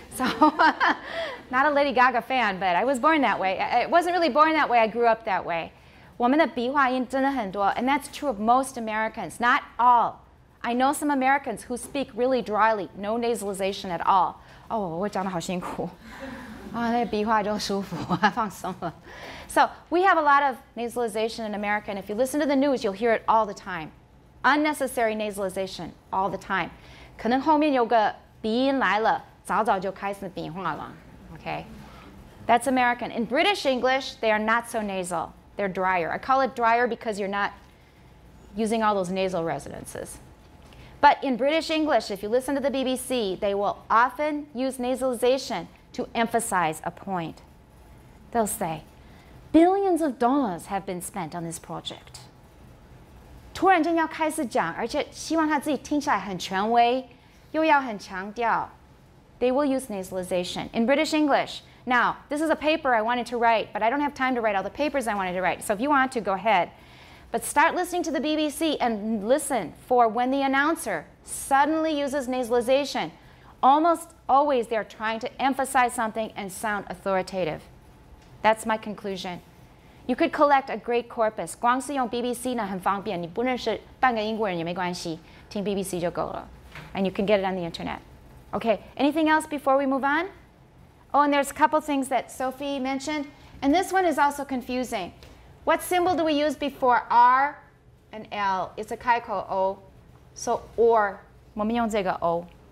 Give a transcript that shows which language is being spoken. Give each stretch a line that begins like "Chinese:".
English: So, not a Lady Gaga fan, but I was born that way. I wasn't really born that way, I grew up that way.
Chinese: 我们的鼻化音真的很多
English: and that's true of most Americans, not all. I know some Americans who speak really dryly, no nasalization at all.
Chinese: Oh, 我讲得好辛苦。啊，那鼻化就舒服，放松了。
English: So, we have a lot of nasalization in America, and if you listen to the news, you'll hear it all the time. Unnecessary nasalization, all the time.
Chinese: 可能后面有个鼻音来了，早早就开始鼻化了。
English: Okay? That's American. In British English, they are not so nasal. They're drier. I call it drier because you're not using all those nasal resonances. But in British English, if you listen to the BBC, they will often use nasalization. To emphasize a point, they'll say, billions of dollars have been spent on this project.
Chinese: 突然间要开始讲，而且希望他自己听起来很权威，又要很强调。
English: They will use nasalization in British English. Now, this is a paper I wanted to write, but I don't have time to write all the papers I wanted to write. So if you want to, go ahead. But start listening to the BBC and listen for when the announcer suddenly uses nasalization. Almost always they are trying to emphasize something and sound authoritative. That's my conclusion. You could collect a great corpus.
Chinese: 光是用 BBC 呢很方便，你不认识半个英国人也没关系，听 BBC 就够了。
English: And you can get it on the internet. Okay, anything else before we move on? Oh, and there's a couple things that Sophie mentioned. And this one is also confusing. What symbol do we use before R and L? It's a 开口 O. So, or,
Chinese: 我们用这个
English: O.